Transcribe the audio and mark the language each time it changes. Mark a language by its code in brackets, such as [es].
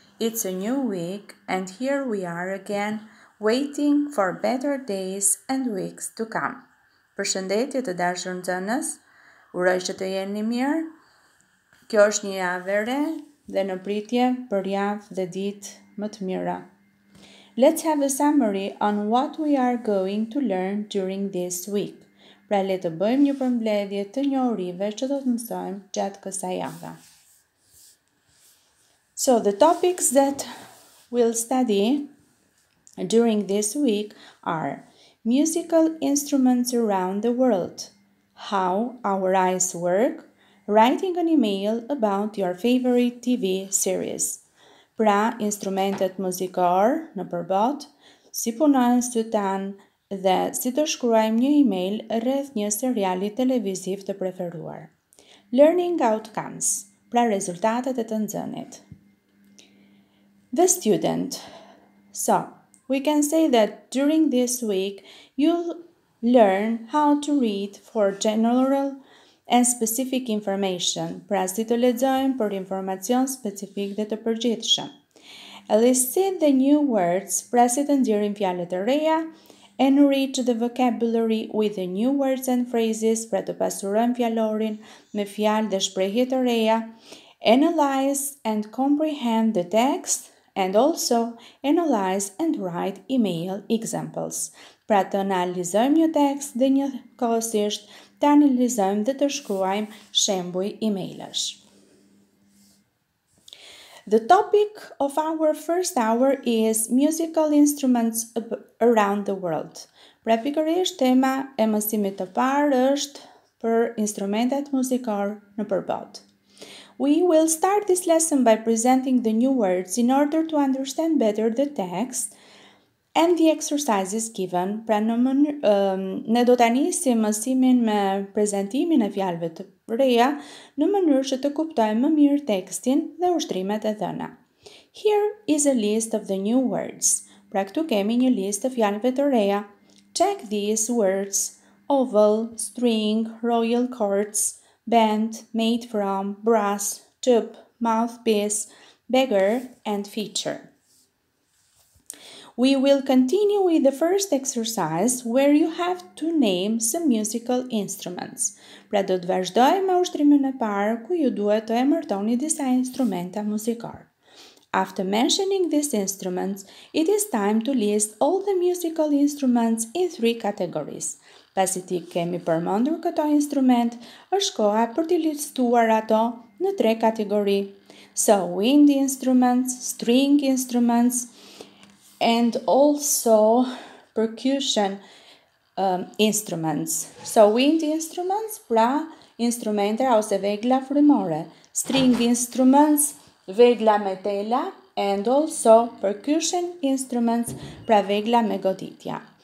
[en] It's a new week, and here we are again, waiting for better days and weeks to come. [sq] Përshëndetje të dashur nxënës. Uroj që të jeni mirë. Kjo është një javë e re dhe në pritje për javë dhe ditë më të mira. [en] Let's have a summary on what we are going to learn during this week. [sq] Pra le të bëjmë një përmbledhje të njohurive që do të mësojmë gjatë kësaj jave. [en] So, the topics that we'll study during this week are musical instruments around the world, how our eyes work, writing an email about your favorite TV series. [sq] Pra, instrumentet muzikor në përbot, si punojnë sytan, dhe si të shkruajmë një email rreth një seriali televiziv të preferuar. [en] Learning outcomes, [sq] pra rezultatet e të nxënit. [en] The student. So, we can say that during this week, you'll learn how to read for general and specific information, [sq] pra si të lexojmë për informacion specifik dhe të përgjithshëm. [en] Listen the new words, [sq] pra si të ndjerim fjalët e reja, [en] enrich the vocabulary with the new words and phrases, [sq] pra të pasurojmë fjalorin me fjalë dhe shprehje të reja, [en] analyze and comprehend the text, and also analyze and write email examples. [sq] Pra të analizojmë një tekst dhe njëkohësisht të analizojmë dhe të shkruajmë shembuj emailash. [en] The topic of our first hour is musical instruments around the world. [sq] Pra pikërisht tema e mësimit të parë është për instrumentet muzikore në përbot. [en] We will start this lesson by presenting the new words in order to understand better the text and the exercises given. [sq] Pra në mënyrë ne do ta nisim mësimin me prezantimin e fjalëve të reja në mënyrë që të kuptojmë më mirë tekstin dhe ushtrimet e dhëna. [en] Here is a list of the new words. [sq] Pra këtu kemi një listë të fjalëve të reja. [en] Check these words: oval, string, royal courts, band, made from, brass, tube, mouthpiece, beggar and feature. We will continue with the first exercise where you have to name some musical instruments. [sq] Pra do të vazhdojmë me ushtrimin e parë ku ju duhet të emërtoni disa instrumenta muzikore. [en] After mentioning these instruments, it is time to list all the musical instruments in three categories. [sq] Pasi ti kemi përmendur këto instrument, është koha për t'i listuar ato në tre kategori. [en] So, wind instruments, string instruments, and also percussion instruments. So, wind instruments, [sq] pra instrumente ose vegla frymore. [en] String instruments, [sq] vegla me tela, [en] and also percussion instruments, [sq] pra vegla me goditja.